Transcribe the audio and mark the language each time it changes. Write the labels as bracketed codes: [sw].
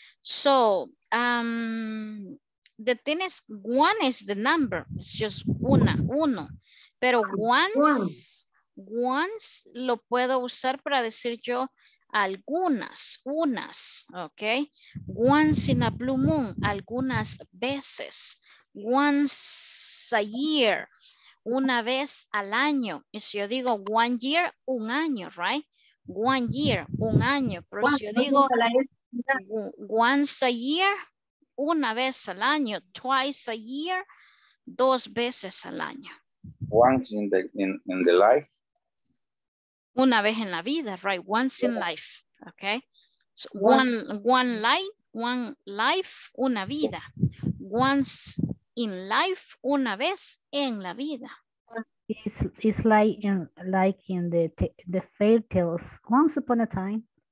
[en] So, the thing is, one is the number. It's just [es] una, uno. Pero once lo puedo usar para decir yo algunas, unas, okay? [en] Once in a blue moon, [es] algunas veces. [en] Once a year, [es] una vez al año. Y si yo digo [en] one year, [es] un año, [en] right? One year, [es] un año. Pero si yo digo [en] once a year, [es] una vez al año. [en] Twice a year, [es] dos veces al año. [en] Once in the in the life. [es] Una vez en la vida, [en] right? Once in life, okay? So one life, [es] una vida. [en] Once in life, [es] una vez en la vida. [en] It's like in the fairy tales, once upon a time.